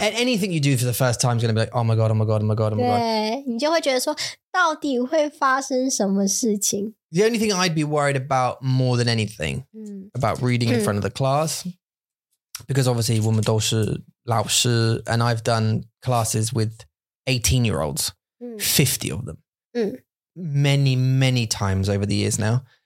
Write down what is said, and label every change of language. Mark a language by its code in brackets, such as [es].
[en] And anything you do for the first time is going to be like, oh my god, oh my god, oh my god, oh my god. [zh] 对，你就会觉得说，到底会发生什么事情？ [en] The only thing I'd be worried about more than anything, about reading in front of the class, because obviously [zh] 我们都是老师, [en] and I've done classes with 18-year-olds, 50 of them, many, many times over the years now.